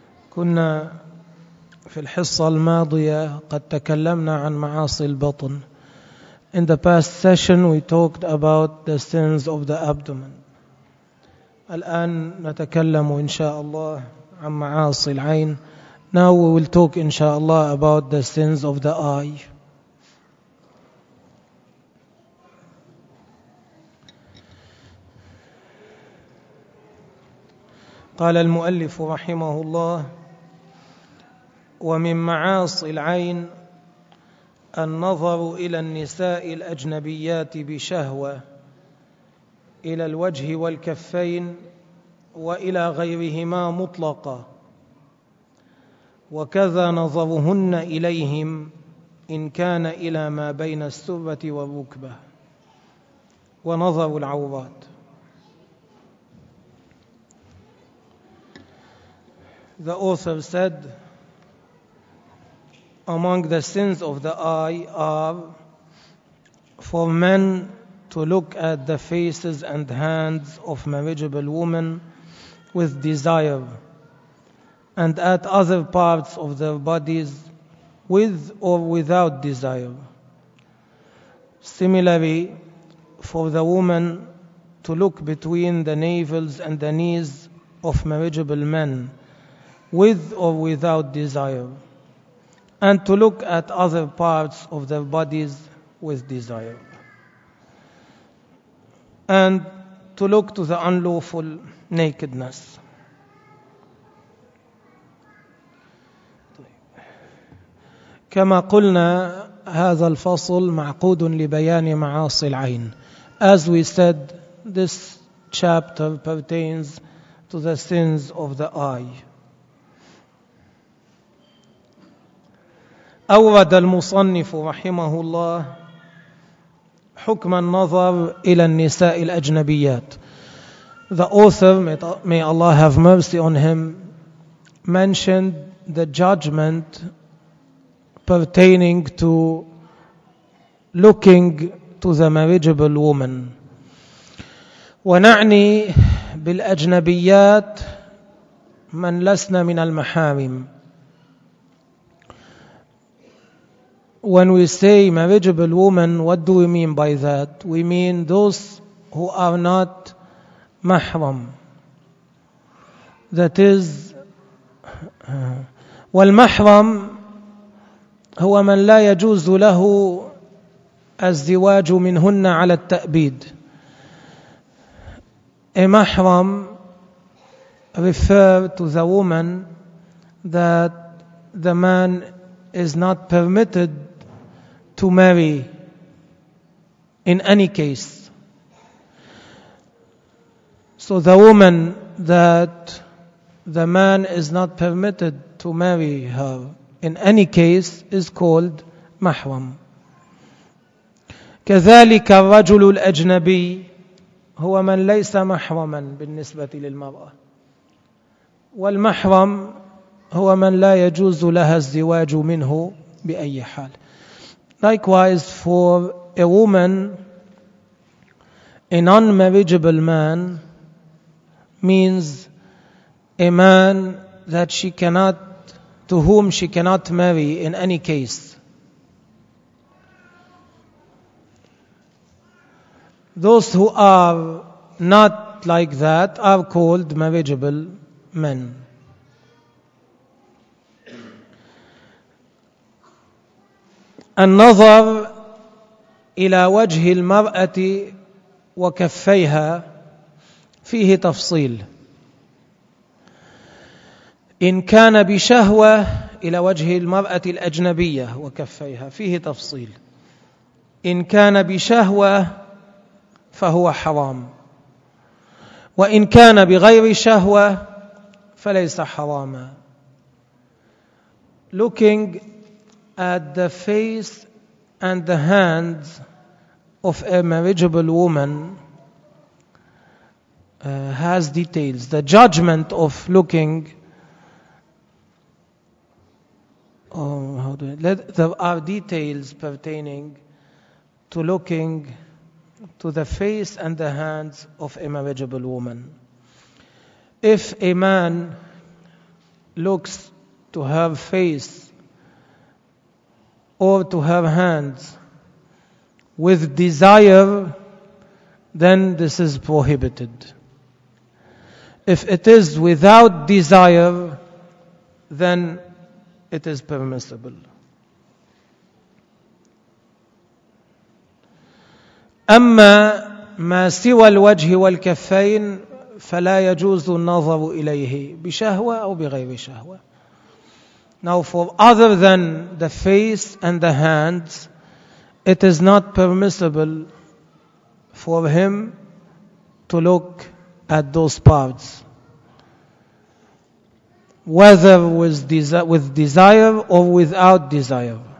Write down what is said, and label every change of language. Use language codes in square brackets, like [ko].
[ar] كنا في الحصة الماضية قد تكلمنا عن معاصي البطن. [en] In the past session we talked about the sins of the abdomen. [ar] الآن نتكلم إن شاء الله عن معاصي العين. [en] Now we will talk [ar] إن شاء الله [en] about the sins of the eye. [ar] قال المؤلف رحمه الله ومن معاصي العين النظر إلى النساء الأجنبيات بشهوة إلى الوجه والكفين وإلى غيرهما مطلقة وكذا نظرهن إليهم إن كان إلى ما بين السرة والركبة ونظر العورات. [en] The author said, among the sins of the eye are for men to look at the faces and hands of marriageable women with desire and at other parts of their bodies with or without desire. Similarly, for the woman to look between the navels and the knees of marriageable men with or without desire, and to look at other parts of their bodies with desire, and to look to the unlawful nakedness. [ar] كما قلنا هذا الفصل معقود لبيان معاصي العين. [en] As we said, this chapter pertains to the sins of the eye. [ar] أورد المصنف رحمه الله حكم النظر إلى النساء الأجنبيات. [en] The author, may Allah have mercy on him, mentioned the judgment pertaining to looking to the marriageable woman. [ar] ونعني بالأجنبيات من لسنا من المحارم. [en] When we say marriageable woman, what do we mean by that? We mean those who are not mahram. That is, [ar] والمحرم هو من لا يجوز له الزواج منهن على التأبيد. [en] A mahram refer to the woman that the man is not permitted to marry in any case. So the woman that the man is not permitted to marry her in any case is called mahram. [ar] كذلك الرجل الأجنبي هو من ليس محرما بالنسبة للمرأة. والمحرم هو من لا يجوز لها الزواج منه بأي حال. [en] Likewise, for a woman, a non-marriageable man means a man that she cannot, to whom she cannot marry in any case. Those who are not like that are called marriageable men. [ar] النظر إلى وجه المرأة وكفيها فيه تفصيل. إن كان بشهوة إلى وجه المرأة الأجنبية وكفيها فيه تفصيل. إن كان بشهوة فهو حرام. وإن كان بغير شهوة فليس حراما. [en] Looking at the face and the hands of a marriageable woman has details. The judgment of looking, there are details pertaining to looking to the face and the hands of a marriageable woman. If a man looks to her face or to her hands with desire, then this is prohibited. If it is without desire, then it is permissible. [ar] أما ما سوى الوجه والكفين فلا يجوز النظر إليه بشهوة أو بغير شهوة. [en] Now for other than the face and the hands, it is not permissible for him to look at those parts, whether with desire or without desire.